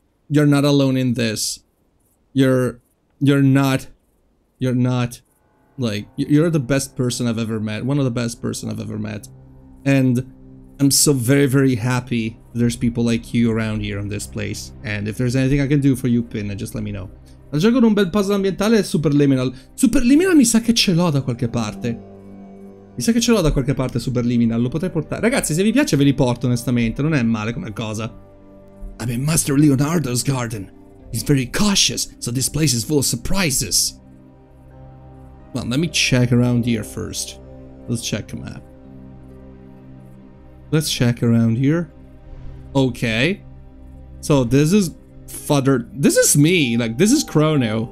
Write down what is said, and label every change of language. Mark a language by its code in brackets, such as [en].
[en] You're not alone in this. You're the best person I've ever met. One of the best person I've ever met. And I'm so very, very happy there's people like you around here in this place. And if there's anything I can do for you, Pin, just let me know. [it] Il gioco di un bel puzzle ambientale è Superliminal. Superliminal mi sa che ce l'ho da qualche parte. Mi sa che ce l'ho da qualche parte Superliminal. Lo potrei portare. Ragazzi, se vi piace ve li porto, onestamente. Non è male come cosa. [en] I'm in Master Leonardo's garden. He's very cautious, so this place is full of surprises. Well, let me check around here first. Let's check around here. Okay. So this is Father. This is me. Like, this is Chrono.